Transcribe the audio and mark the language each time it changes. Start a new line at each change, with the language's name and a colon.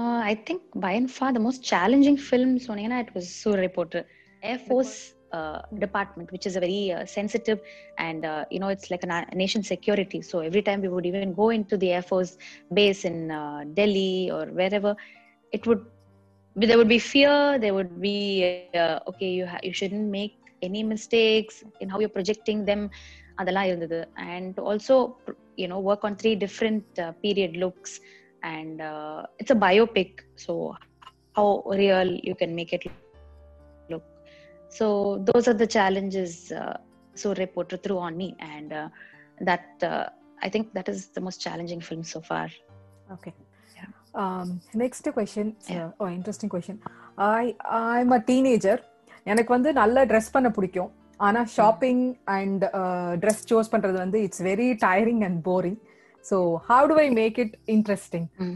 English: I think by and far the most challenging film சொன்னீங்கன்னா it was Soorarai Pottru air force department, which is a very sensitive and you know it's like nation security. So every time we would even go in to the air force base in Delhi or wherever, it would there would be fear, there would be okay, you shouldn't make any mistakes in how you're projecting them,
Tamil: adala irundhathu.
English: And also, you know, work on three different period looks, and it's a biopic, so how real you can make it look. So those are the challenges so reporter threw on me, and that I think that is the most challenging film so far. Okay. Next question oh interesting question. I'm a teenager,
Tamil: எனக்கு வந்து நல்லா dress பண்ண பிடிக்கும், ஆனால் shopping and dress choose பண்ணுறது வந்து
English: It's very tiring and boring. So how do I make it interesting?